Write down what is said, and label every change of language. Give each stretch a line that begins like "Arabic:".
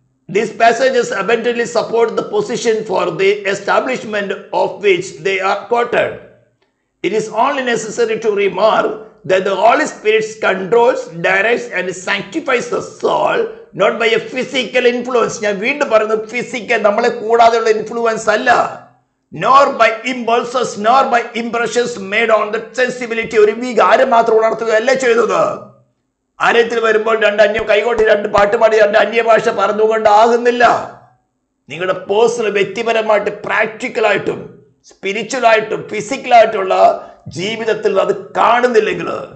English: These passages abundantly support the position for the establishment of which they are quoted. It is only necessary to remark that the holy spirits controls, directs and sanctifies the soul, not by a physical influence.
Malayalam: ഞാൻ വീണ്ടും പറയുന്നു, physical നമ്മളെ കൂടാതെയുള്ള influence അല്ല.
English: Nor by impulses, nor by impressions made on that sensibility.
Malayalam: ഒരു വികാരം മാത്രം ഉണർത്തുകയല്ല ചെയ്തത്. ആലയത്തിൽ വരുമ്പോൾ രണ്ട് അന്യം കൈകൊട്ടി രണ്ട് പാട്ടുപാടി രണ്ട് അന്യഭാഷ പറഞ്ഞുകൊണ്ട് ആകുന്നില്ല. നിങ്ങളുടെ പേഴ്സണൽ വ്യക്തിപരമായിട്ട് പ്രാക്ടിക്കലായിട്ടും സ്പിരിച്വലായിട്ടും ഫിസിക്കലായിട്ടുള്ള ജീവിതത്തിൽ അത് കാണുന്നില്ലെങ്കിൽ.